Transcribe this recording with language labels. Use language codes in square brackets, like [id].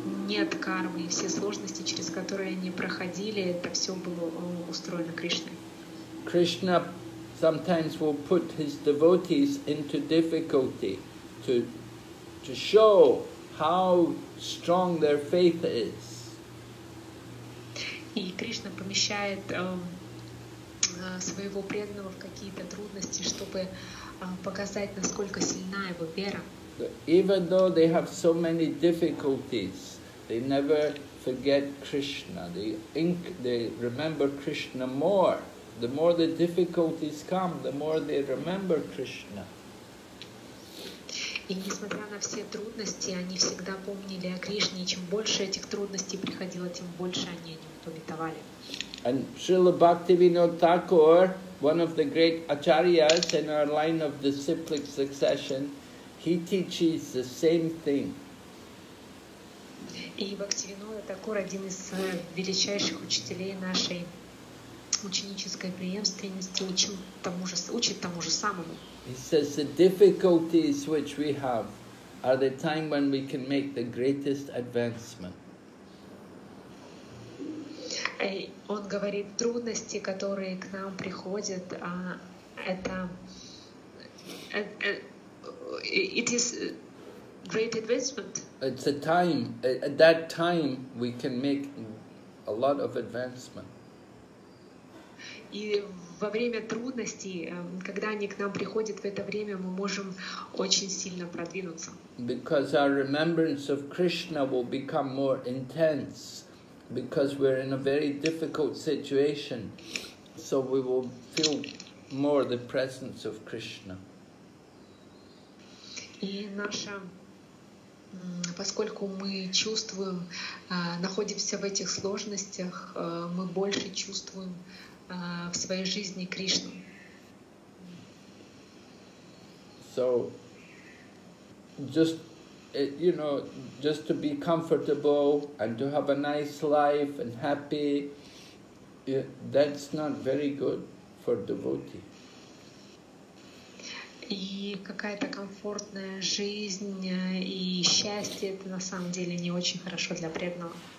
[ru] Нет кармы, все сложности, через которые они проходили, это все было устроено Кришной. [en] Krishna sometimes will put his devotees into difficulty to show how strong their faith is. [ru] И Кришна помещает своего преданного в какие-то трудности, чтобы показать, насколько сильна его вера. [en] Even though they have so many difficulties, they never forget Krishna. They remember Krishna more. The more the difficulties come, the more they remember Krishna. [ru] И несмотря на все трудности, они всегда помнили о Кришне. И чем больше этих трудностей приходило, тем больше они о нем памятовали. [en] And Srila Bhaktivinoda Thakur, one of the great acharyas in our line of the cyclic succession, he teaches the same thing. [ru] И Бхактивинода Такур один из величайших учителей нашей ученической преемственности учит тому же самому. [en] He says the difficulties which we have are the time when we can make the greatest advancement. [ru] И он говорит, трудности, которые к нам приходят, это [en] it is great advancement. It's a time, at that time we can make a lot of advancement. [ru] И во время трудностей, когда они к нам приходят, в это время мы можем очень сильно продвинуться. [en] Because our remembrance of Krishna will become more intense, because we're in a very difficult situation, so we will feel more the presence of Krishna. [ru] И наша поскольку мы чувствуем, находимся в этих сложностях, мы больше чувствуем в своей жизни Кришну. [en] So, just to be comfortable and to have a nice life and happy, that's not very good for devotee. [ru] И какая-то комфортная жизнь и счастье – это на самом деле не очень хорошо для преданного.